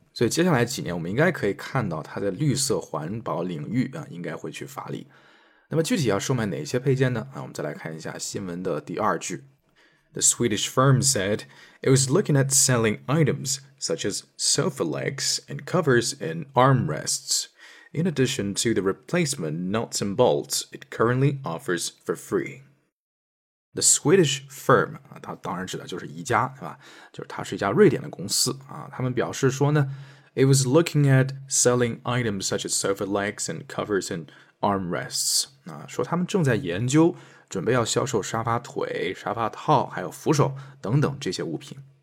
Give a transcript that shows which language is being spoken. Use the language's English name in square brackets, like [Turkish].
[Chinese] 所以接下来几年我们应该可以看到它在绿色环保领域啊应该会去发力。那么具体要售卖哪些配件呢？啊，我们再来看一下新闻的第二句。 [English] The Swedish firm said it was looking at selling items such as sofa legs and covers and armrests, in addition to the replacement nuts and bolts it currently offers for free. The Swedish firm, [Chinese] 它当然指的就是宜家，对吧？就是它是一家瑞典的公司啊。他们表示说呢 ， [English] It was looking at selling items such as sofa legs and covers and armrests [Chinese] 啊，说他们正在研究，准备要销售沙发腿、沙发套、还有扶手等等这些物品。